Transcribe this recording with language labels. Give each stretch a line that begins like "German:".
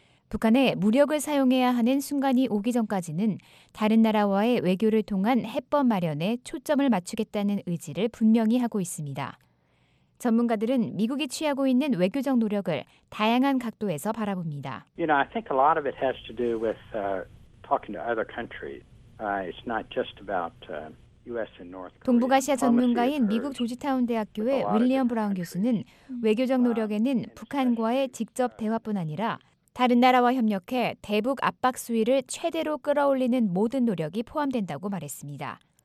Korean: 북한에 무력을 사용해야 하는 순간이 오기 전까지는 다른 나라와의 외교를 통한 해법 마련에 초점을 맞추겠다는 의지를 분명히 하고 있습니다. 전문가들은 미국이 취하고 있는 외교적 노력을 다양한 각도에서 바라봅니다.
English: You know, I think a lot of it has to do with talking to other countries. It's not just about...
Korean: 동북아시아 전문가인 미국 조지타운 대학교의 윌리엄 브라운 교수는 외교적 노력에는 북한과의 직접 대화뿐 아니라 다른 나라와 협력해 대북 압박 수위를 최대로 끌어올리는 모든 노력이 포함된다고 말했습니다.